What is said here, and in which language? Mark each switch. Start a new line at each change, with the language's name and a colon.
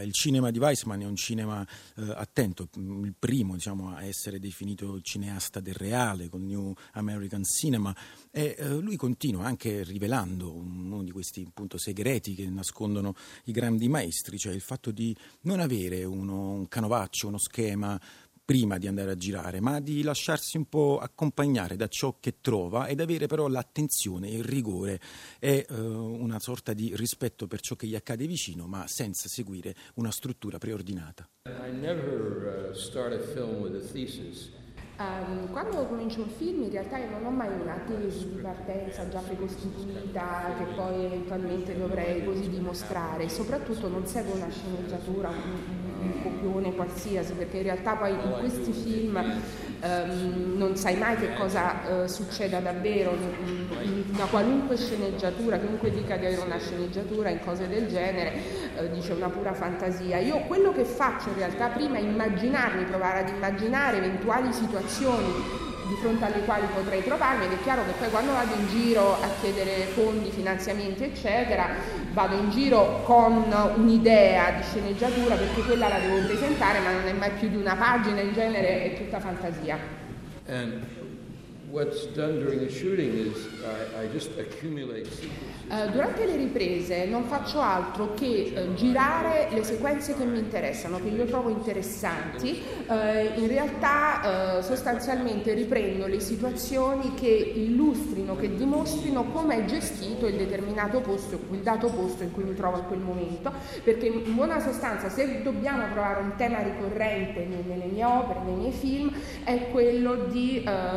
Italian: Il cinema di Wiseman è un cinema attento, il primo a essere definito cineasta del reale con New American Cinema, e lui continua anche rivelando uno di questi appunto segreti che nascondono i grandi maestri, cioè il fatto di non avere un canovaccio, uno schema prima di andare a girare, ma di lasciarsi un po' accompagnare da ciò che trova, ed avere però l'attenzione, il rigore e una sorta di rispetto per ciò che gli accade vicino, ma senza seguire una struttura preordinata.
English: I never start a film with a thesis.
Italian: Quando comincio un film, in realtà io non ho mai una tesi di partenza già precostituita che poi eventualmente dovrei così dimostrare. Soprattutto non seguo una sceneggiatura, un copione qualsiasi, perché in realtà poi in questi film non sai mai che cosa succeda davvero. Una qualunque sceneggiatura, chiunque dica di avere una sceneggiatura in cose del genere, dice una pura fantasia. Io quello che faccio in realtà prima è immaginarmi, provare ad immaginare eventuali situazioni di fronte alle quali potrei trovarmi, ed è chiaro che poi quando vado in giro a chiedere fondi, finanziamenti eccetera, vado in giro con un'idea di sceneggiatura, perché quella la devo presentare, ma non è mai più di una pagina, in genere è tutta fantasia.
English: And what's done during the shooting is I just accumulate.
Italian: Durante le riprese non faccio altro che girare le sequenze che mi interessano, che io trovo interessanti. In realtà sostanzialmente riprendo le situazioni che illustrino, che dimostrino come è gestito il determinato posto, il dato posto in cui mi trovo a quel momento, perché in buona sostanza, se dobbiamo trovare un tema ricorrente nelle mie opere, nei miei film, è quello di